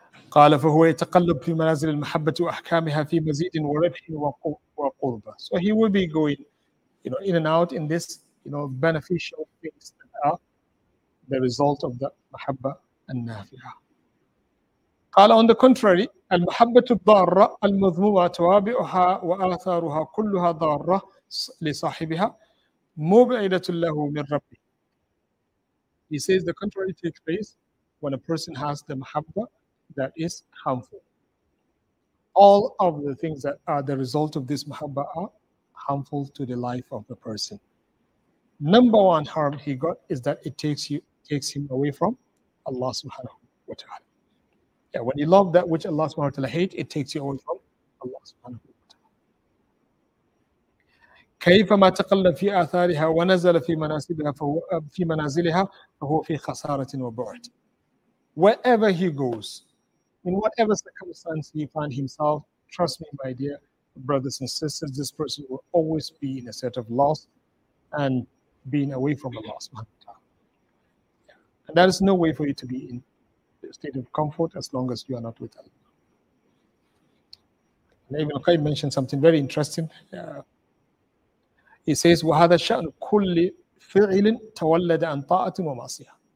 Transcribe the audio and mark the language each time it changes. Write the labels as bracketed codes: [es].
[ar] قَالَ فَهُوَ يَتَقَلَّبْ فِي مَنَازِلِ الْمَحَبَّةِ وَأَحْكَامِهَا فِي مَزِيدٍ وَرَبْحٍ وَقُرْبًا. [en] So he will be going, you know, in and out in this, you know, beneficial things that are the result of the mahabba and nafiha. Qala, on the contrary, [ar] المحبة الضارة المذمومة توابعها وآثارها كلها ضارة لصاحبها مبعدة له من ربه. [en] He says the contrary takes place when a person has the mahabba that is harmful. All of the things that are the result of this mahabba are harmful to the life of the person. Number one harm he got is that it takes you takes him away from Allah subhanahu wa ta'ala. Yeah, when you love that which Allah subhanahu wa ta'ala hates, it takes you away from Allah subhanahu wa ta'ala. [ar] كَيْفَمَا تَقَلَّ فِي آثَارِهَا وَنَزَلَ فِي مَنَازِلِهَا فَهُوَ فِي خَسَارَةٍ وَبُعْدٍ. [en] Wherever he goes, in whatever circumstance he finds himself, trust me, my dear brothers and sisters, this person will always be in a state of loss and being away from Allah subhanahu wa ta'ala. And there is no way for you to be in state of comfort as long as you are not with Allah. And Ibn Qayyim mentioned something very interesting. He says, [ar] وَهَذَا شَأْنُ كُلِّ فِعِلٍ تَوَلَّدَ عَنْ طَاعَةٍ وَمَعْصِيَةٍ.